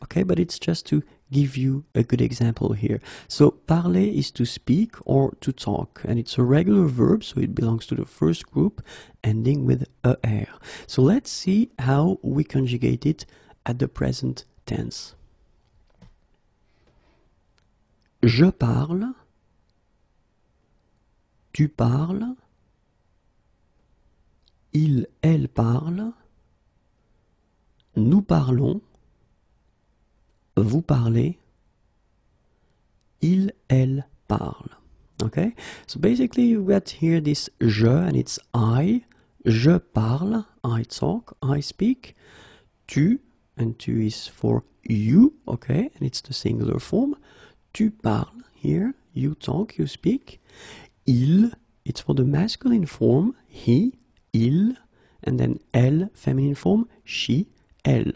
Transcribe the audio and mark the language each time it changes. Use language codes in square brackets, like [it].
[en] Okay, but it's just to give you a good example here. So parler is to speak or to talk, and it's a regular verb, so it belongs to the first group ending with er. So let's see how we conjugate it at the present tense. [fr] Je parle, tu parles, il, elle parle, nous parlons, vous parlez, il, elle parle. [en] Okay, so basically you get here this je and it's I. [fr] Je parle, [en] I talk, I speak, tu, and tu is for you, okay, and it's the singular form. [fr] Tu parles, [en] here, you talk, you speak. Il, it's for the masculine form, he, il, and then elle, feminine form, she, elle.